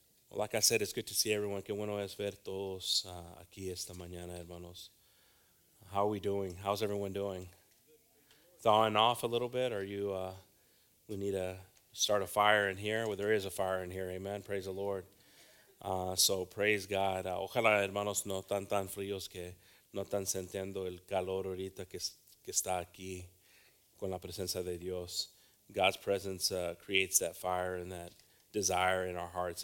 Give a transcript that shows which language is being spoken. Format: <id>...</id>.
<en>Like I said, it's good to see everyone.</en> <es>Qué bueno es ver todos aquí esta mañana, hermanos.</es> <en>How are we doing? How's everyone doing? Thawing off a little bit? Are you, we need to start a fire in here? Well, there is a fire in here. Amen. Praise the Lord. So praise God.</en> <es>Ojalá, hermanos, no tan tan fríos que no tan sintiendo el calor ahorita que está aquí con la presencia de Dios.</es> <en>God's presence creates that fire and that desire in our hearts.</en>